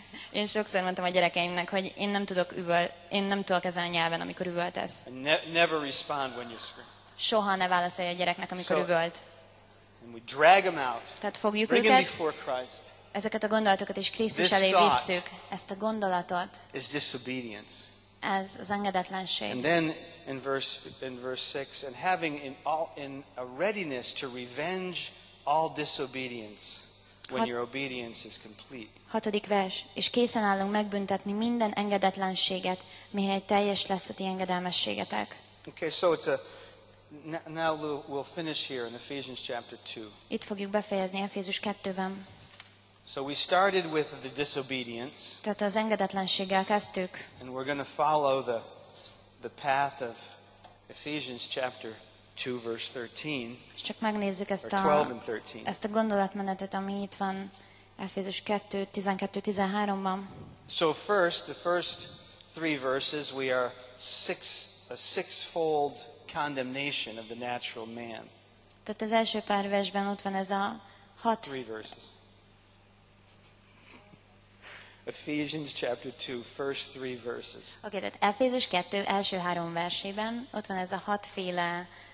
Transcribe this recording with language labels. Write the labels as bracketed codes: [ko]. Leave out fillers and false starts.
[hu] Én sokszor mondtam a gyerekeimnek, hogy én nem tudok én nem tudok ezen a nyelven, amikor üvöltesz. [en] Never respond when you scream. [hu] Soha ne válaszolj a gyereknek, amikor üvölt. [en] And we drag them out. [hu] Tehát fogjuk [en] bring [hu] őket. [en] Bring them before Christ. [hu] Ezeket a gondolatokat is Krisztus elé visszük. Ezt a gondolatot. [en] Is disobedience. [hu] Ez az engedetlenség. [en] And then in verse 6, and having in a readiness to revenge all disobedience when your obedience is complete. [hu] Hatodik vers, és készen állunk megbüntetni minden engedetlenséget, mihely teljes lesz a ti engedelmességetek. [en] Okay, so it's a now we'll finish here in Ephesians chapter 2. [hu] Itt fogjuk befejezni Efézus 2-ben. [en] So we started with the disobedience. [hu] Tehát az engedetlenséggel kezdtük. [en] And we're going to follow the path of Ephesians chapter 2 verse 13. [hu] Csak megnézzük ezt a gondolatmenetet, ami itt van Efézus 2:12-13-ban. [en] So first, the first three verses, we are a sixfold condemnation of the natural man. [hu] Tehát az első pár versben ott van ez a hat. [en] Three verses. Ephesians chapter 2, first three verses. [hu] Okay, tehát Efézus 2 első három versében ott van ez a hatféle